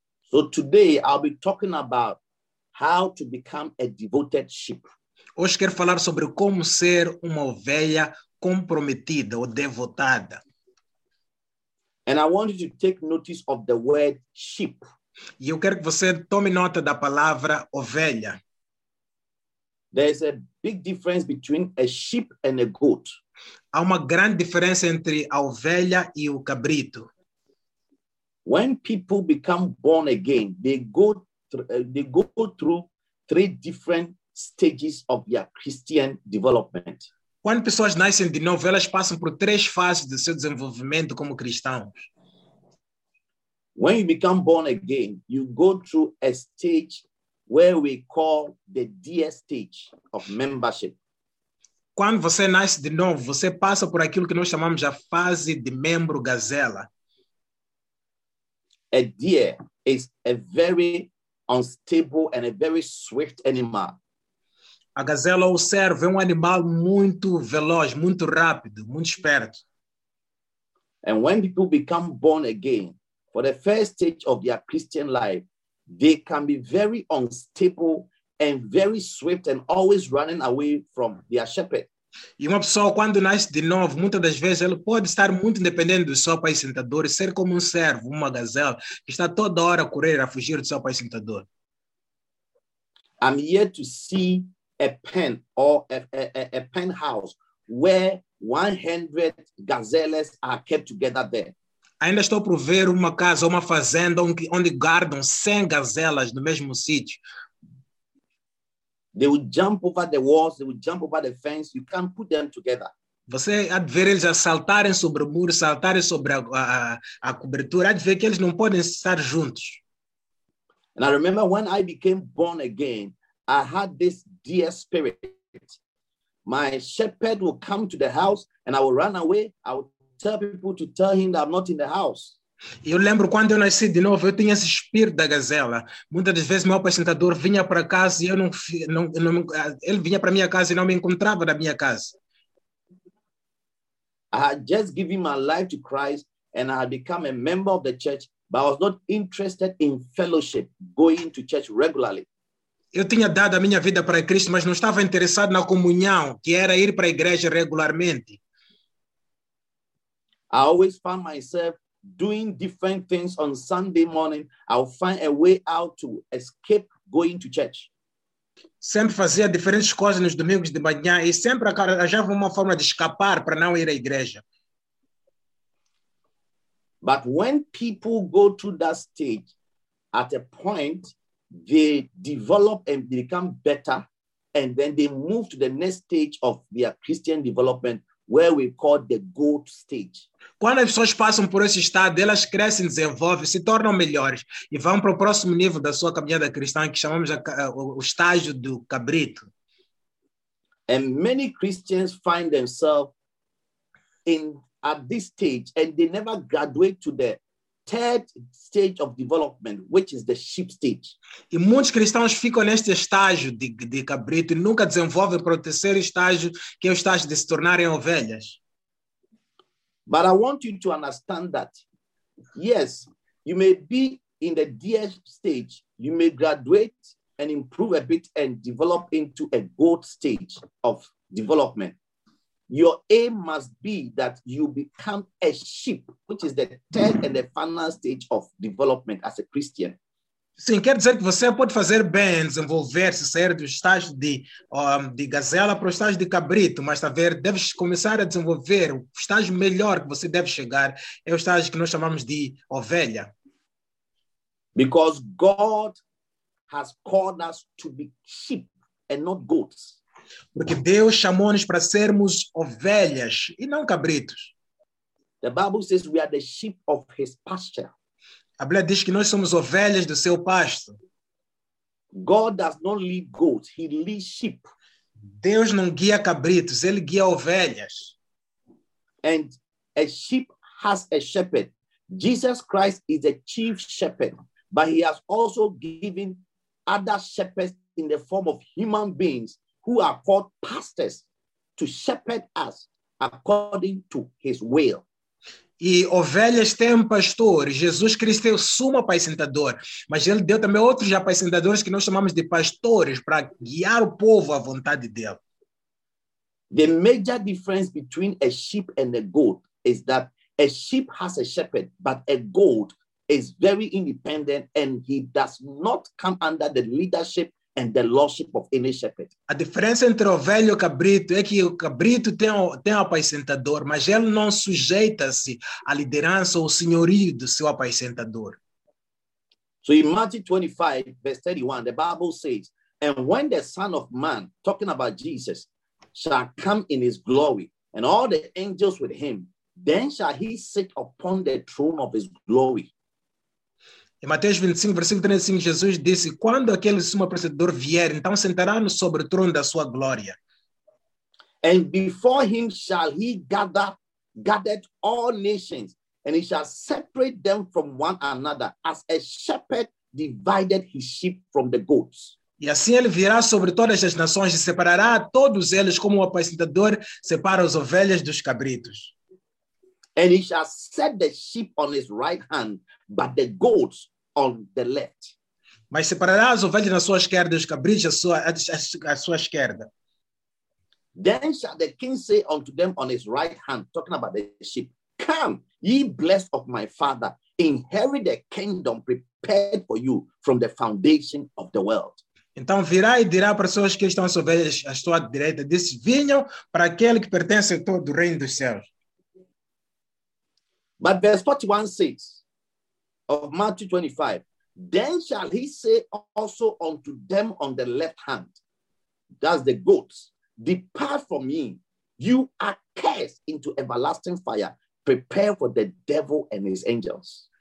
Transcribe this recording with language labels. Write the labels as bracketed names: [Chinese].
[English] So today I'll be talking about how to become a devoted sheep. [Portuguese] Hoje quero falar sobre como ser uma ovelha comprometida ou devotada. [English] And I want you to take notice of the word sheep. [Portuguese] E eu quero que você tome nota da palavra ovelha. [English] There's a big difference between a sheep and a goat. [Portuguese] Há uma grande diferença entre a ovelha e o cabrito. [English] When people become born again, they go through three different stages of their Christian development. [Portuguese] Quando pessoas nascem de novo, elas passam por três fases do seu desenvolvimento como cristãos. [English] When you become born again, you go through a stage where we call the DS stage of membership. [Portuguese] Quando você nasce de novo, você passa por aquilo que nós chamamos a fase de membro gazela. [English] A deer is a very unstable and a very swift animal. [Portuguese] A gazela ou cervo é um animal muito veloz, muito rápido, muito esperto. [English] And when people become born again, for the first stage of their Christian life, they can be very unstable and very swift and always running away from their shepherd. [Portuguese] E uma pessoa, quando nasce de novo, muitas das vezes, ela pode estar muito independente do seu pai sentador, ser como um servo, uma gazela, que está toda hora a correr, a fugir do seu pai sentador. [English] I'm yet to see a pen or a penthouse where 100 gazelles are kept together there. [Portuguese] Ainda estou por ver uma casa, uma fazenda onde guardam 100 gazelas no mesmo sítio. [English] They will jump over the walls, they will jump over the fence. You can't put them together. [Portuguese] Você há de ver eles a saltarem sobre o muro, saltarem sobre a cobertura. Há de ver que eles não podem estar juntos. [English] And I remember when I became born again, I had this deer spirit. My shepherd would come to the house and I would run away. I would tell people to tell him that I'm not in the house. [Portuguese] Eu lembro quando eu nasci de novo, eu tinha esse espírito da gazela. Muitas das vezes meu apresentador vinha para casa e ele vinha para minha casa e não me encontrava na minha casa. [English] I had just given my life to Christ and I had become a member of the church, but I was not interested in fellowship, going to church regularly. [Portuguese] Eu tinha dado a minha vida para Cristo, mas não estava interessado na comunhão, que era ir para a igreja regularmente. [English] I always found myself doing different things on Sunday morning. I'll find a way out to escape going to church. [Portuguese] Sempre fazia diferentes coisas nos domingos de manhã e sempre achava uma forma de escapar para não ir à igreja. [English] But when people go to that stage, at a point, they develop and become better, and then they move to the next stage of their Christian development, where we call the goat stage. [Portuguese] Quando as pessoas passam por esse estado, elas crescem, desenvolvem, se tornam melhores e vão para o próximo nível da sua caminhada cristã, que chamamos o estágio do cabrito. [English] And many Christians find themselves at this stage and they never graduate to the third stage of development, which is the sheep stage. [Portuguese] E muitos cristãos ficam neste estágio de cabrito e nunca desenvolvem para o terceiro estágio, que é o estágio de se tornarem ovelhas. [English] But I want you to understand that, yes, you may be in the DS stage, you may graduate and improve a bit and develop into a goat stage of development. Your aim must be that you become a sheep, which is the third and the final stage of development as a Christian. [Portuguese] Sim, quer dizer que você pode fazer bem, desenvolver-se, sair do estágio de gazela para o estágio de cabrito, mas está a ver, deves começar a desenvolver o estágio melhor que você deve chegar, é o estágio que nós chamamos de ovelha. [English] Because God has called us to be sheep and not goats. [Portuguese] Porque Deus chamou-nos para sermos ovelhas e não cabritos. [English] The Bible says we are the sheep of his pasture. [Portuguese] A Bíblia diz que nós somos ovelhas do seu pasto. [English] God does not lead goats, he leads sheep. [Portuguese] Deus não guia cabritos, ele guia ovelhas. [English] And a sheep has a shepherd. Jesus Christ is the chief shepherd, but he has also given other shepherds in the form of human beings who are called pastors to shepherd us according to his will. [Portuguese] E ovelhas têm pastor. Jesus Cristo é o sumo apacentador. Mas ele deu também outros apacentadores que nós chamamos de pastores para guiar o povo à vontade dele. [English] The major difference between a sheep and a goat is that a sheep has a shepherd, but a goat is very independent and he does not come under the leadership and the lordship of any shepherd. [Portuguese] A diferença entre ovelha e o cabrito é que o cabrito tem um apacentador, mas ele não sujeita-se à liderança ou senhorio do seu apacentador. [English] So in Matthew 25, verse 31, the Bible says, and when the Son of Man, talking about Jesus, shall come in his glory, and all the angels with him, then shall he sit upon the throne of his glory. [Portuguese] Em Mateus 25, versículo 35, Jesus disse, quando aquele sumo apacentador vier, então sentará no sobre o trono da sua glória. [English] And before him shall he gather all nations, and he shall separate them from one another, as a shepherd divided his sheep from the goats. [Portuguese] E assim ele virá sobre todas as nações e separará todos eles como o apacentador separa as ovelhas dos cabritos. [English] And he shall set the sheep on his right hand, but the goats on the left. [Portuguese] Mas separará as ovelhas na sua esquerda e os cabritos à sua esquerda. [English] Then shall the king say unto them on his right hand, talking about the sheep, come, ye blessed of my father, inherit the kingdom prepared for you from the foundation of the world. [Portuguese] Então virá e dirá para as pessoas que estão às ovelhas à sua direita, disse, vinham para aquele que pertence a todo o reino dos céus. [English] But verse 41 says of Matthew 25, then shall he say also unto them on the left hand, that's the goats, depart from me, you are cast into everlasting fire, prepare for the devil and his angels.